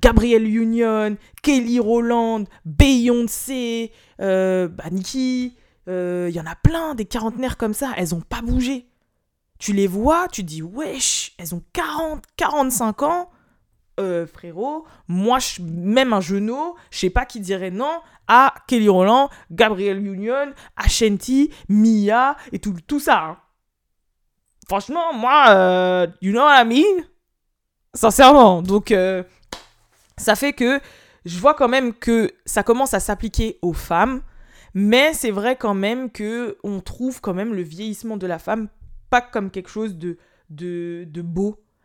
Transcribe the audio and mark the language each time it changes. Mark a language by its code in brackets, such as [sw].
[fr] Gabrielle Union, Kelly Rowland, Beyoncé, Nicki, il y en a plein, des quarantenaires comme ça, elles ont pas bougé. Tu les vois, tu te dis wesh, elles ont 40, 45 ans, frérot, moi, même un genou, je sais pas qui dirait non à Kelly Rowland, Gabrielle Union, Ashanti, Mia et tout ça. Hein. Franchement, moi, [en] you know what I mean? [fr] Sincèrement. Donc, ça fait que je vois quand même que ça commence à s'appliquer aux femmes. Mais c'est vrai quand même qu'on trouve quand même le vieillissement de la femme pas comme quelque chose de beau.